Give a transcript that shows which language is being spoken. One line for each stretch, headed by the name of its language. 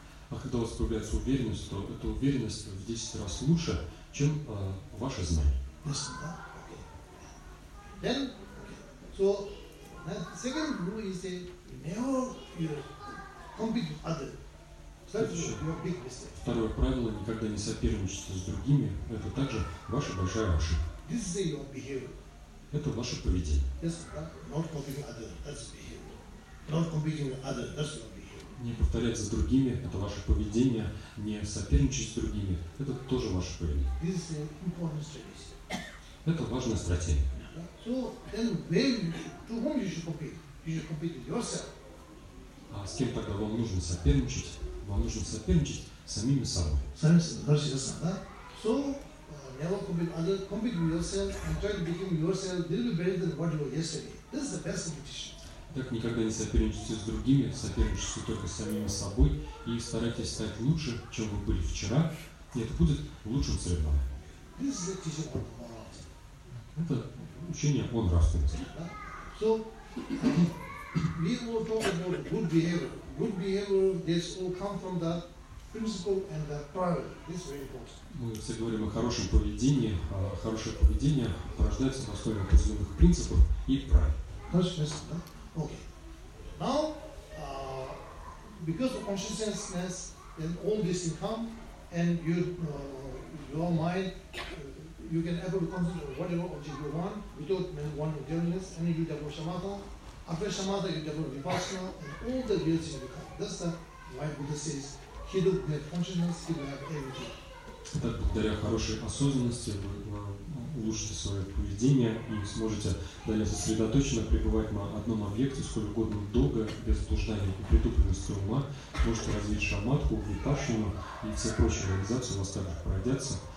Russian: А когда у вас появляется уверенность, то эта уверенность в 10 раз лучше, чем ваше знание.
English: Then, okay. So, second rule is that never compete with others. That's your big mistake.
Russian: Второе правило – никогда не соперничайте с другими. Это также ваша большая ошибка.
English: This is your behavior.
Russian: Это ваше поведение.
English: Yes, not competing with others. That's behavior. Not competing with others. That's your behavior.
Russian: Не повторять за другими – это ваше поведение. Не соперничать с другими – это тоже ваше поведение.
English: This is an important strategy.
Russian: Это важная стратегия.
English: So then, to whom you should compete? You should compete with yourself.
Russian: А с кем тогда вам нужно соперничать? Вам нужно соперничать с самими собой.
English: So, never compete with others. Compete with yourself and try to become yourself a little better than what you were yesterday. This is the best competition.
Russian: Так никогда не соперничайте с другими, соперничайте только с самими собой и старайтесь стать лучше, чем вы были вчера, и это будет лучшим соревнованием. Это учение о нравственности.
English: So, we will talk about good behavior. Good behavior, this all come from the principle and the priority. This is very important.
Russian: Мы все говорим о хорошем поведении. Хорошее поведение порождается на основе определенных принципов и правил.
English: Okay. Now, because of consciousness, then all this will come, and your mind, you can able to concentrate on whatever object you want, without one awareness, and you develop shamatha. After shamatha, you develop vipassana, and all the reality will come. That's why Buddha says, he will have consciousness, he will have everything.
Russian: Так, благодаря хорошей осознанности вы улучшите свое поведение и сможете далее сосредоточенно пребывать на одном объекте сколь угодно долго, без блуждания и притупленности ума, можете развить шамадху, випашину и все прочие реализации у вас также пройдятся.